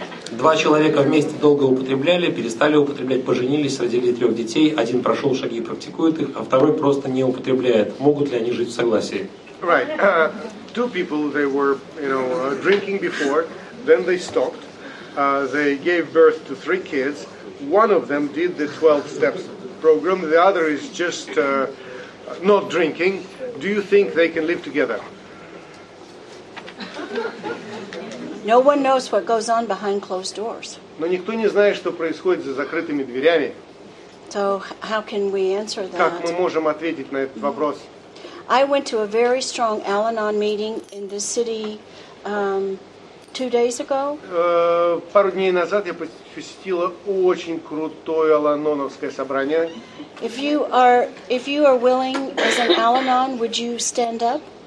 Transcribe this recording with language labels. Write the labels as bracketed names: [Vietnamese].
[Russian] Два человека вместе долго употребляли, перестали употреблять, поженились, родили трех детей. Один прошел шаги и практикует их, а второй просто не употребляет. Могут ли они жить в согласии? [English] Right. Two people, they were, you know, drinking before, then they stopped. They gave birth to three kids. One of them did the 12 steps program, the other is just not drinking. Do you think they can live together? No one knows what goes on behind closed doors. [Russian] Но никто не знает, что происходит за закрытыми дверями. [English] So how can we answer that? [Russian] Как мы можем ответить на этот вопрос? [English] I went to a very strong Al-Anon meeting in the city 2 days ago. [Russian] Пару дней назад я посетила очень крутое Аланоновское собрание. [English] If you are willing as an Al-Anon, would you stand up?